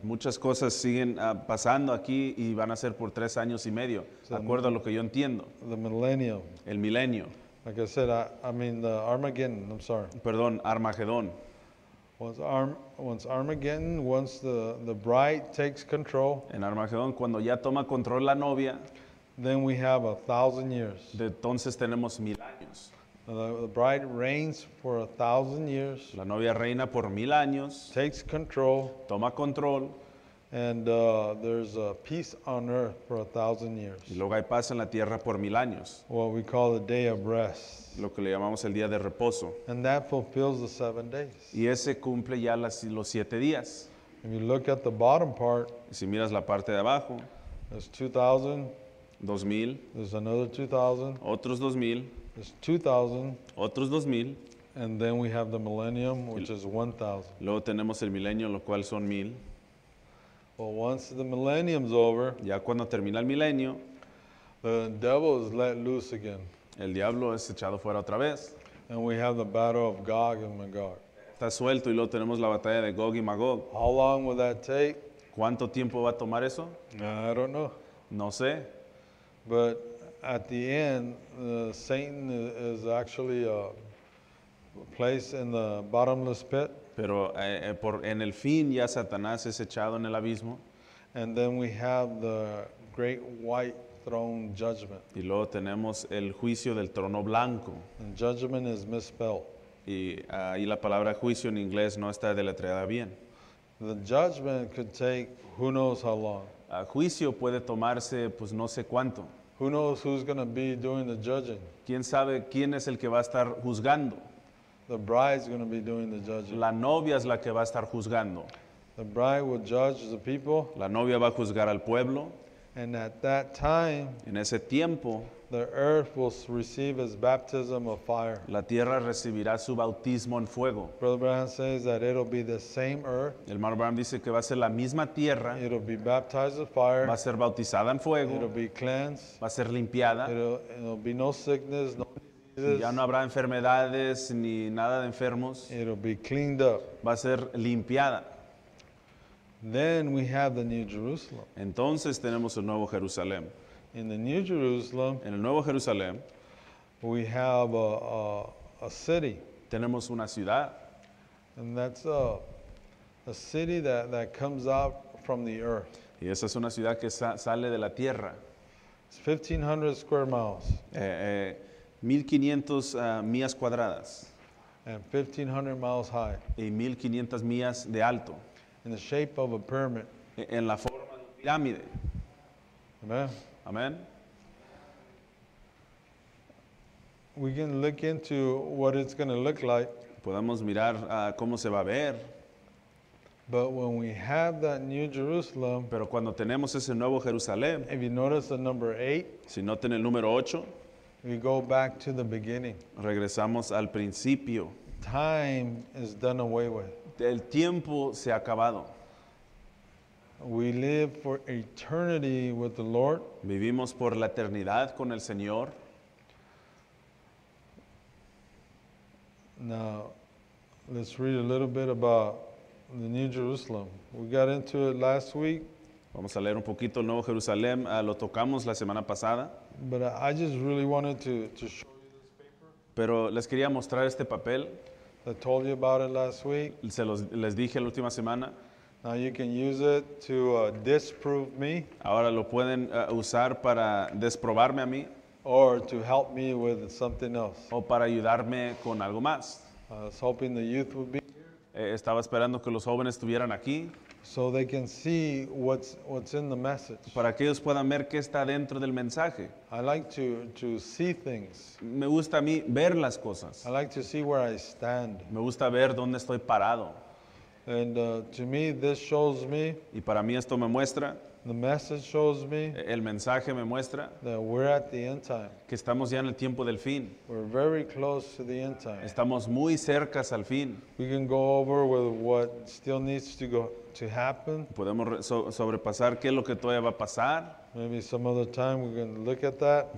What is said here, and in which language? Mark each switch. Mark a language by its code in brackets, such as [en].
[es] Muchas cosas siguen pasando aquí y van a ser por 3 años y medio, de acuerdo a lo que yo entiendo. [en] The millennium. [es] El milenio. [en] Like I said, I mean the Armageddon. I'm sorry. [es] Perdón, Armagedón. [en] Once Armageddon, once the bride takes control. [es] En Armagedón, cuando ya toma control la novia. [en] Then we have 1,000 years. [es] De entonces tenemos 1,000 años. [en] The bride reigns for 1,000 years. [es] La novia reina por 1,000 años. [en] Takes control. [es] Toma control. [en] And there's a peace on earth for 1,000 years. [es] Y luego hay paz en la tierra por 1,000 años. [en] What we call the day of rest. [es] Lo que le llamamos el día de reposo. [en] And that fulfills the 7 days. [es] Y ese cumple ya los 7 días. [en] If you look at the bottom part. [es] Si miras la parte de abajo. [en] There's 2,000. [es] 2,000. [en] There's another 2,000. [es] Otros 2,000. [en] There's 2,000. [es] Otros 2,000. [en] And then we have the millennium, which is 1,000. [es] Luego tenemos el milenio, lo cual son 1,000. [en] Well, once the millennium's over. [es] Ya cuando termina el milenio. [en] The devil is let loose again. [es] El diablo es echado fuera otra vez. [en] And we have the battle of Gog and Magog. [es] Está suelto y luego tenemos la batalla de Gog y Magog. [en] How long will that take? [es] ¿Cuánto tiempo va a tomar eso? [en] I don't know. [es] No sé. [en] But at the end, Satan is actually placed in the bottomless pit. [es] Pero en el fin ya Satanás es echado en el abismo. [en] And then we have the great white throne judgment. [es] Y luego tenemos el juicio del trono blanco. [en] And judgment is misspelled. [es] Y ahí la palabra juicio en inglés no está deletreada bien. [en] The judgment could take who knows how long. [es] A juicio puede tomarse pues no sé cuánto. [en] Who knows who's going to be doing the judging? [es] ¿Quién sabe quién es el que va a estar juzgando? [en] The bride is going to be doing the judging. [es] La novia es la que va a estar juzgando. [en] The bride will judge the people. [es] La novia va a juzgar al pueblo. [en] And at that time, [es] en ese tiempo, [en] the earth will receive its baptism of fire. [es] La tierra recibirá su bautismo en fuego. [en] Brother Branham says that it'll be the same earth. [es] El hermano Branham dice que va a ser la misma tierra. [en] It'll be baptized with fire. [es] Va a ser bautizada en fuego. [en] It'll be cleansed. [es] Va a ser limpiada. [en] It'll be no sickness, no diseases. [es] Ya no habrá enfermedades ni nada de enfermos. [en] It'll be cleaned up. [es] Va a ser limpiada. [en] Then we have the New Jerusalem. [es] Entonces tenemos el Nuevo Jerusalén. [en] In the New Jerusalem, [es] en el Nuevo Jerusalén, [en] we have a city. [es] Tenemos una ciudad. [en] And that's a city that comes out from the earth. [es] Y esa es una ciudad que sale de la tierra. [en] It's 1,500 square miles. [es] 1,500 millas cuadradas. [en] And 1,500 miles high. [es] Y 1,500 millas de alto. [en] In the shape of a pyramid. [es] En la forma de una pirámide. [en] Amen. [es] Amen. [en] We can look into what it's going to look like. [es] Podemos mirar cómo se va a ver. [en] But when we have that New Jerusalem. [es] Pero cuando tenemos ese Nuevo Jerusalén. [en] If you notice the number 8. [es] Si noten el número 8. [en] We go back to the beginning. [es] Regresamos al principio. [en] Time is done away with. [es] El tiempo se ha acabado. [en] We live for eternity with the Lord. [es] Vivimos por la eternidad con el Señor. [en] Now, let's read a little bit about the New Jerusalem. We got into it last week. [es] Vamos a leer un poquito el Nuevo Jerusalén. Lo tocamos la semana pasada. [en] But I just really wanted to show you this paper. [es] Pero les quería mostrar este papel. [en] I told you about it last week. [es] Les dije la última semana. [en] Now you can use it to disprove me. [es] Ahora lo pueden usar para desprobarme a mí. [en] Or to help me with something else. [es] O para ayudarme con algo más. [en] I was hoping the youth would be here. [es] Estaba esperando que los jóvenes estuvieran aquí. [en] So they can see what's in the message. [es] Para que ellos puedan ver qué está dentro del mensaje. [en] I like to see things. [es] Me gusta a mí ver las cosas. [en] I like to see where I stand. [es] Me gusta ver dónde estoy parado. [en] And to me, this shows me. [es] Y para mí esto me muestra. [en] The message shows me [es] el mensaje me muestra [en] that we're at the end time. [es] Que estamos ya en el tiempo del fin. [en] We're very close to the end time. [es] Estamos muy cerca al fin. [en] We can go over with what still needs to go to happen. [es] Podemos sobrepasar qué es lo que todavía va a pasar. [en] Maybe some other time we can look at that.